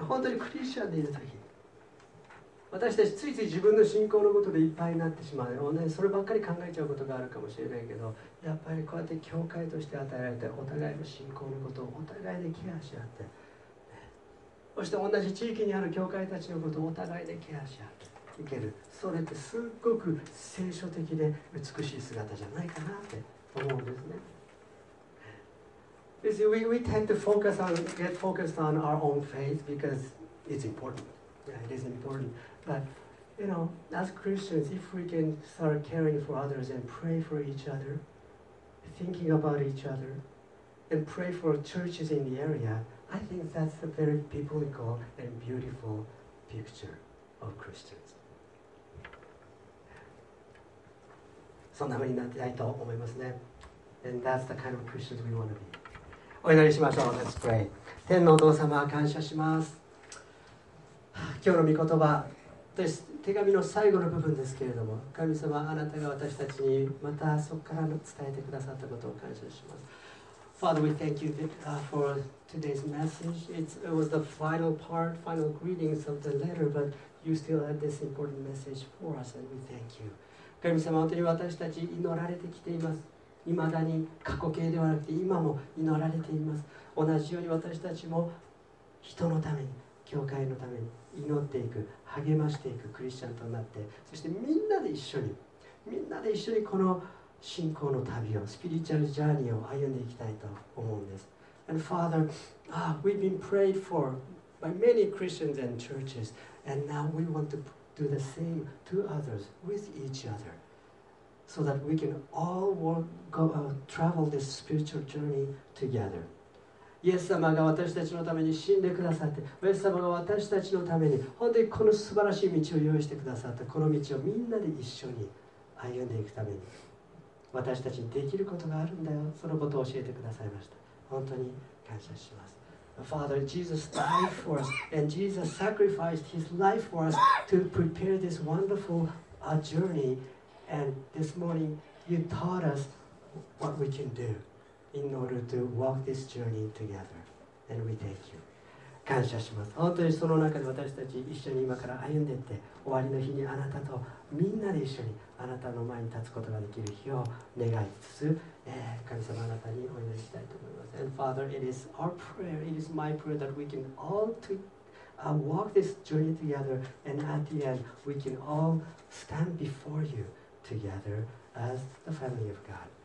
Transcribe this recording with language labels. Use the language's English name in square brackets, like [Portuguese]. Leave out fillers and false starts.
[Japanese] 本当にクリスチャンでいるとき、私たちついつい自分の信仰のことでいっぱいになってしまう、ね、そればっかり考えちゃうことがあるかもしれないけど、やっぱりこうやって教会として与えられてお互いの信仰のことをお互いでケアし合って、そして同じ地域にある教会たちのことをお互いでケアし合っていける、それってすっごく聖書的で美しい姿じゃないかなって思うんですね。 [English] You see, we tend to focus on, get focused on our own faith because it's important. Yeah, it is important. But, you know, as Christians, if we can start caring for others and pray for each other, thinking about each other, and pray for churches in the area, I think that's a very biblical and beautiful picture of Christians. [Japanese] そんな風になっていないと思いますね。 [English] And that's the kind of Christians we want to be. [Japanese] お祈りしましょう。 [English] Let's pray. [Japanese] 天のお父様、感謝します。今日の御言葉、手紙の最後の部分ですけれども、神様、あなたが私たちにまたそこから伝えてくださったことを感謝します。 [English] Father, we thank you for today's message. It was the final part, final greetings of the letter, but you still had this important message for us, and we thank you. [Japanese] 神様、本当に私たち祈られてきています。未だに過去形ではなくて今も祈られています。同じように私たちも人のために。教会のために祈っていく、励ましていくクリスチャンとなって、そしてみんなで一緒に、みんなで一緒にこの信仰の旅を、スピリチュアルジャーニーを歩んでいきたいと思うんです。 [English] And Father, we've been prayed for by many Christians and churches, and now we want to do the same to others with each other, so that we can all walk, go, travel this spiritual journey together. [Japanese] イエス様が私たちのために死んでくださって、イエス様が私たちのために本当にこの素晴らしい道を用意してくださった、この道をみんなで一緒に歩んでいくために私たちにできることがあるんだよ、そのことを教えてくださいました。本当に感謝します。 [English] Father, Jesus died for us, and Jesus sacrificed his life for us to prepare this wonderful journey. And this morning, you taught us what we can do in order to walk this journey together. And we thank you. [Japanese] 感謝します。本当にその中で私たち一緒に今から歩んでいって、終わりの日にあなたとみんなで一緒にあなたの前に立つことができる日を願いつつ、神様あなたにお祈りしたいと思います。 [English] And Father, it is our prayer, it is my prayer that we can all to, walk this journey together, and at the end, we can all stand before you together as the family of God.